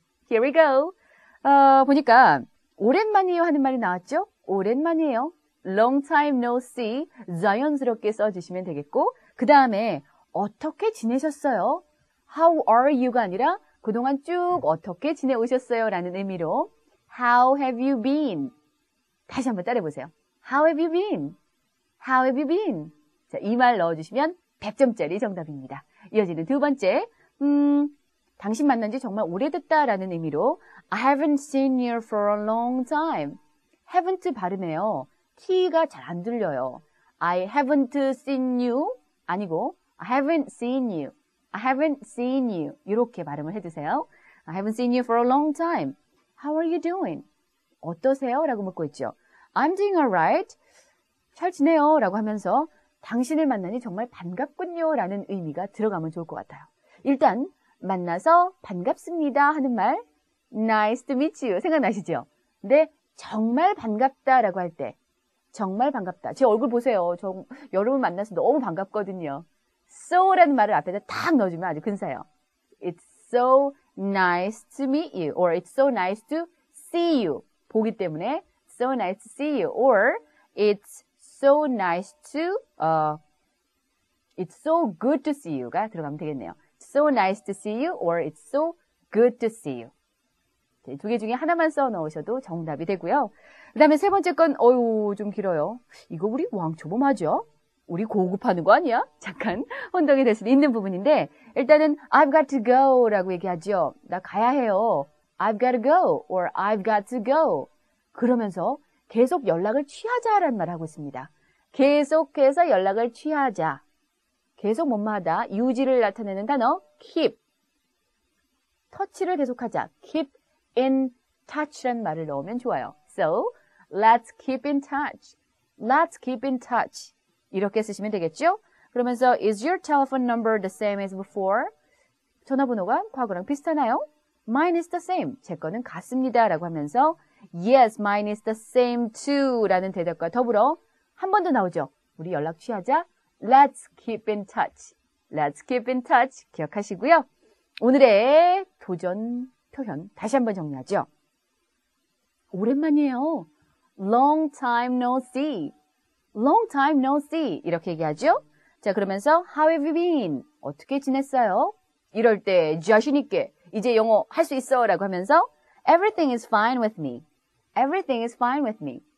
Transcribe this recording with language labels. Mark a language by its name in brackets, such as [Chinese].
[English] Here we go. [Korean] 보니까 오랜만이에요 하는 말이 나왔죠? 오랜만이에요. [English] Long time no see. [Korean] 자연스럽게 써주시면 되겠고, 그 다음에 어떻게 지내셨어요? [English] How are you [Korean] 가 아니라 그동안 쭉 어떻게 지내오셨어요? 라는 의미로 [English] How have you been? [Korean] 다시 한번 따라해보세요. [English] How have you been? How have you been? [Korean] 자, 이말 넣어주시면 100점짜리 정답입니다. 이어지는 두 번째, 당신 만난 지 정말 오래됐다라는 의미로 [English] I haven't seen you for a long time. [Korean] haven't 발음해요. T가 잘안 들려요. [English] I haven't seen you 아니고 I haven't seen you. I haven't seen you. [Korean] 이렇게 발음을 해주세요. [English] I haven't seen you for a long time. How are you doing? [Korean] 어떠세요? 라고 묻고 있죠. [English] I'm doing alright. [Korean] 잘 지내요. 라고 하면서 당신을 만나니 정말 반갑군요. 라는 의미가 들어가면 좋을 것 같아요. 일단, 만나서 반갑습니다. 하는 말. [English] Nice to meet you. [Korean] 생각나시죠? 근데, 정말 반갑다. 라고 할 때. 정말 반갑다. 제 얼굴 보세요. 저 여러분 만나서 너무 반갑거든요. So 라는 말을 앞에다 딱 넣어주면 아주 근사해요. [English] It's so nice to meet you. Or it's so nice to see you. [Korean] 보기 때문에. [English] So nice to see you. Or it's So nice to, it's so good to see you [Korean] 가 들어가면 되겠네요. [English] So nice to see you or it's so good to see you. [Korean] 네, 두개 중에 하나만 써 넣으셔도 정답이 되고요. 그 다음에 세 번째 건, 어유 좀 길어요. 이거 우리 왕초보마죠? 우리 고급하는 거 아니야? 잠깐 혼동이 될수 있는 부분인데, 일단은 [English] I've got to go [Korean] 라고 얘기하죠. 나 가야 해요. [English] I've got to go or I've got to go. [Korean] 그러면서 계속 연락을 취하자라는 말을 하고 있습니다. 계속해서 연락을 취하자. 계속 뭐뭐하다. 유지를 나타내는 단어 keep. 터치를 계속하자. [English] keep in touch [Korean] 라는 말을 넣으면 좋아요. [English] So, let's keep in touch. Let's keep in touch. [Korean] 이렇게 쓰시면 되겠죠? [English] 그러면서 is your telephone number the same as before? [Korean] 전화번호가 과거랑 비슷하나요? [English] Mine is the same. [Korean] 제 거는 같습니다라고 하면서 [English] Yes, mine is the same too. [Korean] 라는 대답과 더불어 한번더 나오죠. 우리 연락 취하자. [English] Let's keep in touch. Let's keep in touch. [Korean] 기억하시고요. 오늘의 도전 표현 다시 한번 정리하죠. [English] 오랜만이에요. Long time no see. Long time no see. [Korean] 이렇게 얘기하죠. 자, 그러면서 [English] How have you been? [Korean] 어떻게 지냈어요? 이럴 때 자신 있게 이제 영어 할수 있어. 라고 하면서 [English] Everything is fine with me. Everything is fine with me.